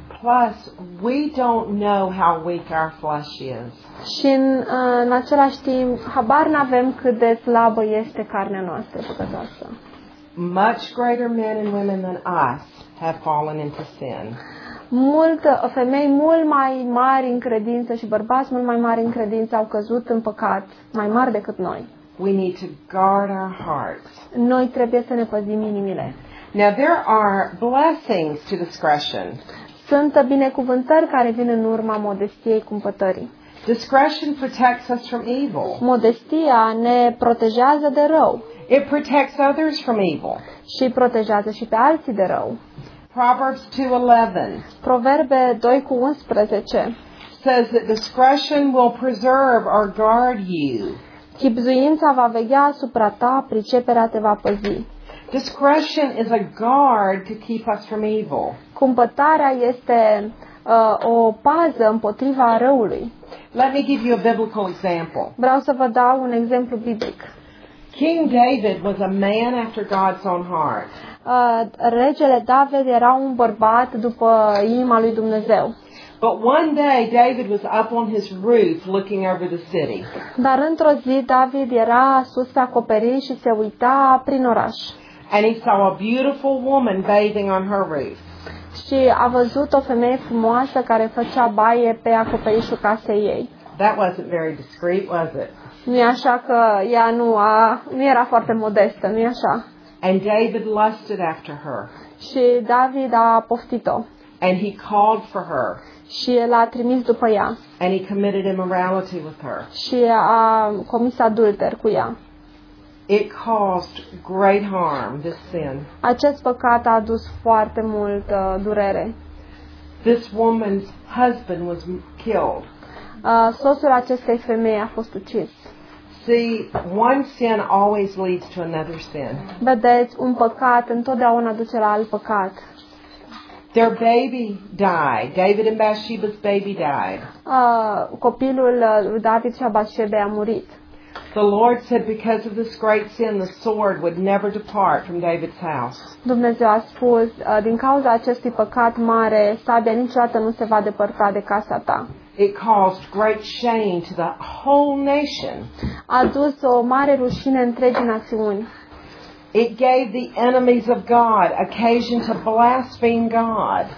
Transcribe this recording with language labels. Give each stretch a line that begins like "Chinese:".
English: Plus, we don't know how weak our flesh is.
Romanian: Și în același timp, habar n-avem cât de slabă este carnea noastră păcătoasă.
English: Much greater men and women than us have fallen into sin.
Romanian: Multe femei mult mai mari în credință și bărbați mult mai mari în credință au căzut în păcat mai mari decât noi.
English: We need to guard our hearts.
Romanian: Noi trebuie să ne păzim inimile.
English: Now there are blessings to discretion.
Romanian: Sunt binecuvântări care vin în urma modestiei cumpătării.
English: Discretion protects us from evil.
Romanian: Modestia ne protejează de rău.
English: It protects others from evil.
Romanian: Și protejează și pe alții de rău.
English: Proverbs 2:11.
Romanian: Proverbe 2:11.
English: Says that discretion will preserve or guard you.
Romanian: Chibzuința va veghea asupra ta, priceperea te va păzi.
English: Discretion is a guard to keep us from evil.
Romanian: Cumpătarea este o pază împotriva răului.
English: Let me give you a biblical example.
Romanian: Vreau să vă dau un exemplu biblic.
English: King David was a man after God's own heart.
Romanian: Regele David era un bărbat după inima lui Dumnezeu.
English: But one day David was up on his roof looking over the city.
Romanian: Dar într-o zi David era sus pe acoperiș și se uita prin oraș.
English: And he saw a beautiful woman bathing on her roof.
Romanian: Și a văzut o femeie frumoasă care făcea baie pe acoperișul casei ei.
English: That wasn't very discreet, was it?
Romanian: Nu-i așa că ea nu era foarte modestă, nu-i așa?
English: And David lusted after her.
Romanian: Și David a poftit-o.
English: And he called for her.
Romanian: Și el a trimis după ea.
English: And he committed immorality with her.
Romanian: Și a comis adulter cu ea.
English: It caused great harm, this sin.
Romanian: Acest păcat a adus foarte mult durere.
English: This woman's husband was killed.
Romanian: Soțul acestei femei a fost ucis.
English: See, one sin always leads to another sin.
Romanian: Vedeți, un păcat întotdeauna duce la alt păcat.
English: Their baby died. David and Bathsheba's baby died.
Romanian: Copilul David și Bathsheba a murit.
English: The Lord said because of this great sin the sword would never depart from David's house.
Romanian: Dumnezeu a spus, din cauza acestui păcat mare, sabia niciodată nu se va depărta de casa ta.
English: It caused great shame to the whole nation.
Romanian: A adus o mare rușine întregii națiuni.
English: It gave the enemies of God occasion to blaspheme God.